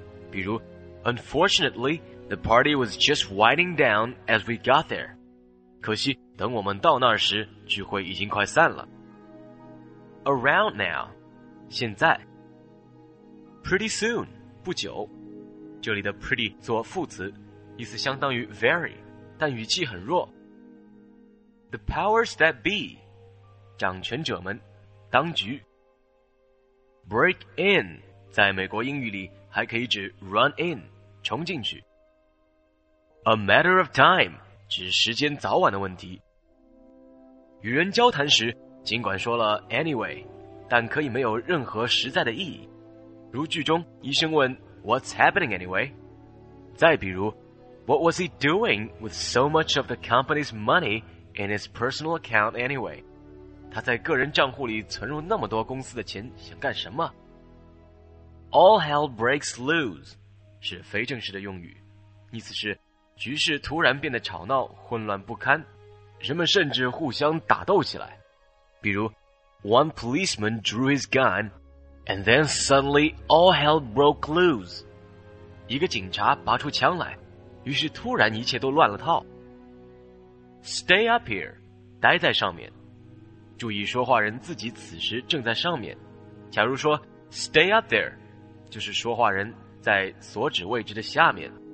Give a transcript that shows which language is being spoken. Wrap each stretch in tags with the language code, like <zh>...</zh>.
<en>比如 Unfortunately, the party was just winding down as we got there.</en> <zh>可惜等我们到那时，聚会已经快散了。 Around now, 现在。Pretty soon, 不久。这里的 pretty 做副词，意思相当于 very。但语气很弱。 The powers that be, 掌权者们，当局。 Break in, 在美国英语里还可以指 run in, 冲进去。 A matter of time, 指时间早晚的问题。与人交谈时，尽管说了 anyway, 但可以没有任何实在的意义。如剧中医生问 What's happening anyway?</zh> <en>再比如What was he doing with so much of the company's money in his personal account anyway?</en> <zh>他在个人账户里存入那么多公司的钱想干什么？ All hell breaks loose 是非正式的用语，意思是局势突然变得吵闹混乱不堪，人们甚至互相打斗起来。</zh> <en>比如 One policeman drew his gun and then suddenly all hell broke loose.</en> <zh>一个警察拔出枪来，于是突然一切都乱了套。 Stay up here, 待在上面。注意说话人自己此时正在上面。假如说 Stay up there, 就是说话人在所指位置的下面。</zh>